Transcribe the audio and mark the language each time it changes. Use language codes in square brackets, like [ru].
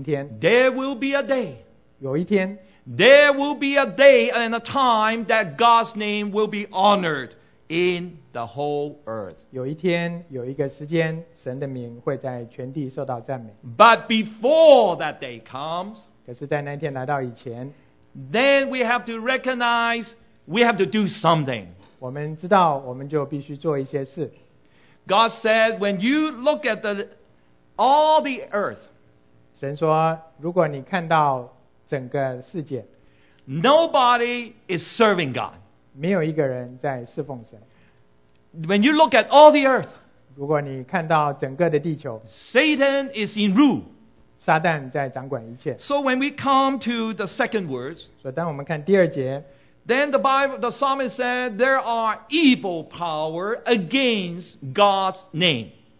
[en] There will be a day and a time that God's name will be honored in the whole earth. [zh] 有一天有一个时间神的名会在全地受到赞美。 [en] But before that day comes, [zh] 可是在那天来到以前, [en] then we have to recognize, we have to do something. [zh] 我们知道我们就必须做一些事。 [en] God said, when you look at all the earth, [zh] 神说如果你看到整个世界, [en] nobody is serving God. [zh] 没有一个人在侍奉神。 [en] When you look at all the earth, [zh] 如果你看到整个的地球, [en] Satan is in rule. [zh] 撒旦在掌管一切。 [en] So when we come to the second words, [zh] 所以当我们看第二节, [en] then the Bible, the psalmist said, there are evil power against God's name.